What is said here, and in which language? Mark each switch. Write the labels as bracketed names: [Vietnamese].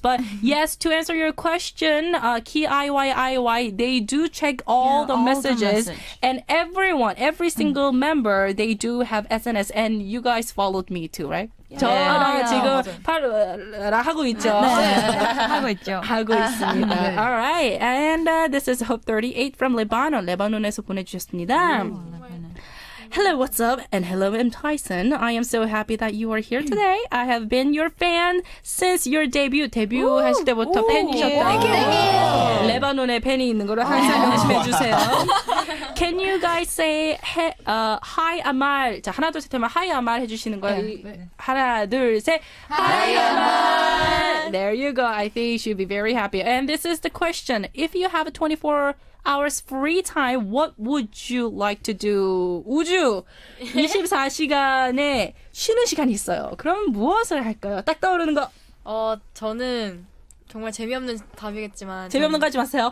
[English] But yes, to answer your question, KIYIY, they do check all the messages. And everyone, every single member, they do have SNS. And you guys followed me too, right? [Korean] 저랑 지금 팔라 하고 있죠. 하고 있죠. 하고 있습니다. [English] All right. And this is Hope 38 from Lebanon. [Korean] 레바논에서 보내주셨습니다. [English] Hello, what's up? And hello, M. Tyson. I am so happy that you are here today. I have been your fan since your debut. [Korean] 데뷔하실 때부터 팬이셨다. [English] Thank you. [Korean] 레바논에 팬이 있는 거를 항상 명심해 주세요. [English] Can you guys say hi, Amal? [Korean] 자, 하나, 둘, 셋 하면 [English] hi, Amal [Korean] 해주시는 거예요. 하나, 둘, 셋. [English] Hi, Amal. There you go. I think you should be very happy. And this is the question. If you have a 24 hours free time, what would you like to do? [Korean] 우주, 24시간에 쉬는 시간이 있어요. 그럼 무엇을 할까요? 딱 떠오르는 거. 저는 정말 재미없는 답이겠지만. 재미없는 거 하지 마세요.